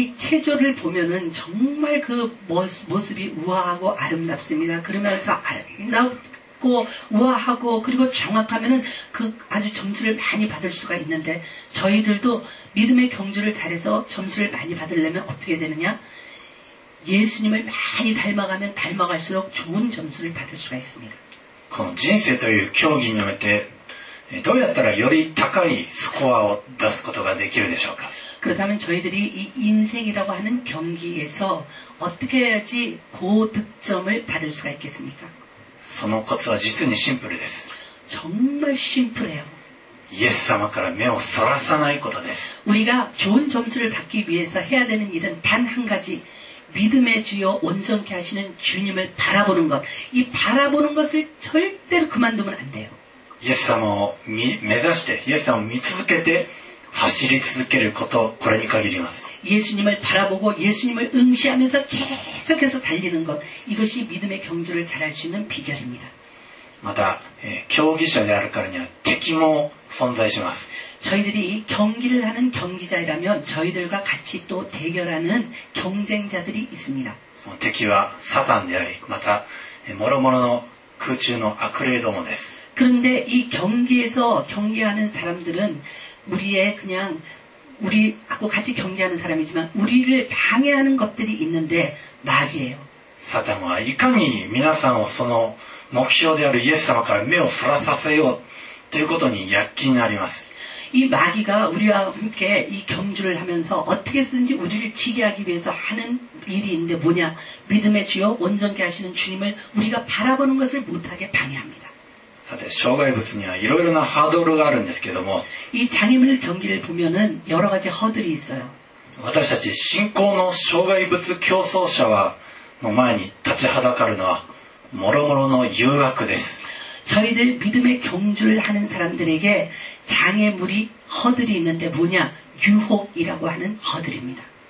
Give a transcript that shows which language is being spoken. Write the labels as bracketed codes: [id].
[ko] 이체조를보면은정말그 모습이우아하고아름답습니다그러면서아름답고우아하고그리고정확하면은그아주점수를많이받을수가있는데저희들도믿음의경주를잘해서점수를많이받으려면어떻게되느냐예수님을많이닮아가면닮아갈수록좋은점수를받을수가있습니다 [ja] この人生という競技においてどうやったらより高いスコアを出すことができるでしょうか [ko] 그렇다면저희들이이인생이라고하는경기에서어떻게해야지고득점을받을수가있겠습니까 [ja] そのコツは実にシンプルです [ko] 정말심플해요 [ja] イエス様から目をそらさないことです [ko] 우리가좋은점수를받기위해서해야되는일은단한가지믿음의주여온전케하시는주님을바라보는것이바라보는것을절대로그만두면안돼요 [ja] イエス様を目指して、イエス様を見続けて走り続けること、これに限ります。 [ko] イエス님을바라보고예수님을응시하면서계속해서달리는것이것이믿음의경주를잘할수있는비결입니다 [ja] また競技者であるからには敵も存在します。 [ko] 저희들이경기를하는경기자라면저희들과같이또대결하는경쟁자들이있습니다 [ja] 敵は사단であり、また諸々の空中の悪霊どもです。 [ko] 그런데이경기에서경기하는사람들은우리의그냥우리하고같이경기하는사람이지만우리를방해하는것들이있는데말이에요 [ja] 사단은이かに皆さんをその목표であるイエス様から目をそらさせようということに躍起になります。 [ko] 이마귀가우리와함께이경주를하면서어떻게쓰는지우리를지게하기위해서하는일이있는데뭐냐믿음의주요온전케하시는주님을우리가바라보는것을못하게방해합니다 [ja] さて障害物にはいろいろなハードルがあるんですけども、 [ko] 이장애물경기를보면은여러가지허들이있어요 [ja] 私たち信仰の障害物競争者はの前に立ちはだかるのはもろもろの誘惑です。 [ko] 저희들믿음의경주를하는사람들에게장애물이허들이있는데뭐냐유혹이라고하는허들입니다